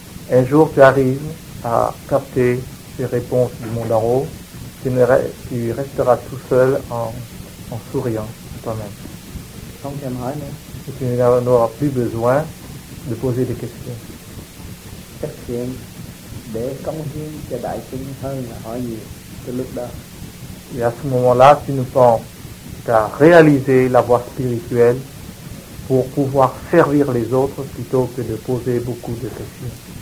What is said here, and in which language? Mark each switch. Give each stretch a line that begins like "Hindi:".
French: Un jour tu arrives à capter ces réponses du monde en haut, tu resteras tout seul en souriant toi-même. Et tu n'auras plus besoin de poser des questions.
Vietnamese: Chắc chuyện để cống hiến cho đại chúng hơn là hỏi nhiều cái lúc đó.
French: Et à ce moment-là, tu ne penses qu'à réaliser la voie spirituelle pour pouvoir servir les autres plutôt que de poser beaucoup de questions.